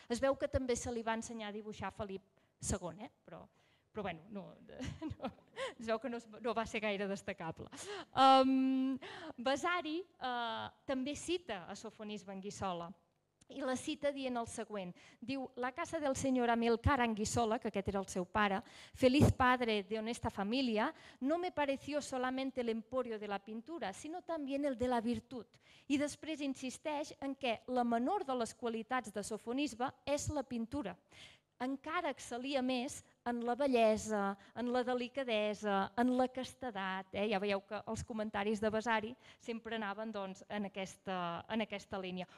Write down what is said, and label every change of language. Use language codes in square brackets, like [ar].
[ca] Es veu que també se li va ensenyar a dibuixar Felip II, eh? Però bueno, no va ser gaire destacable. Vasari també cita a Sofonisba Anguissola i la cita dient el següent. Diu, la casa del senyor Amilcar Anguissola, que aquest era el seu pare, [es] feliz padre de honesta familia, no me pareció solamente el emporio de la pintura, sino también el de la virtud. [ca] I després insisteix en que la menor de les qualitats de Sofonisba és la pintura. Encara excel·lia més en la bellesa, en la delicadesa, en la castedat. Ja veieu que els comentaris de Vasari sempre anaven doncs, en aquesta línia.